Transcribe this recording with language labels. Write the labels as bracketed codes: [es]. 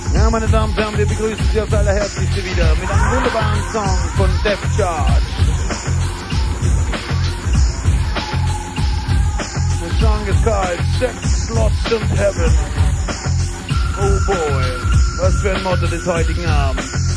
[de] Meine Damen und Herren, wir begrüßen Sie auf aller Herzlichste wieder mit einem wunderbaren Song von Def Charge. [en] The song is called Sex, Lost in Heaven. [de] Oh boy, was für ein Motto des heutigen Abends.